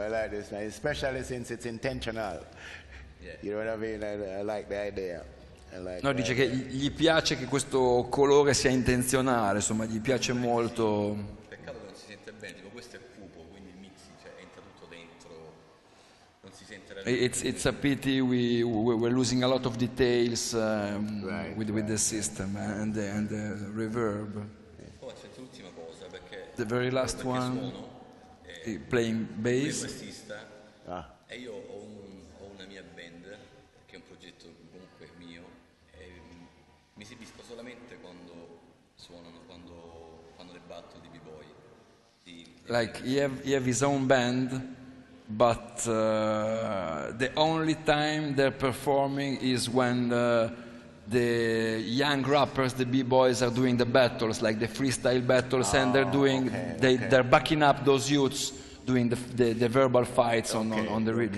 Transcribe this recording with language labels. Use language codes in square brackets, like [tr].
[en] I like this one, especially since it's intentional. Yeah. You know what I mean? I like the idea. Like, [it] no, dice che gli piace che questo colore sia intenzionale, insomma, gli piace molto. Peccato che non si sente bene, tipo questo è cupo, quindi il mix, cioè, entra tutto dentro. Non si sente bene. [en] It's a pity we're losing a lot of details with the system and the reverb. The very last one, playing bass. [it] Bassista, e io ho una mia band, che è un progetto comunque mio, e mi esibisco solamente quando suonano, quando fanno le battle di B-Boy. [en] Like, he have his own band, but the only time they're performing is when the young rappers, the b-boys, are doing the battles, like the freestyle battles, and they're doing, they're backing up those youths doing the verbal fights on the rhythm.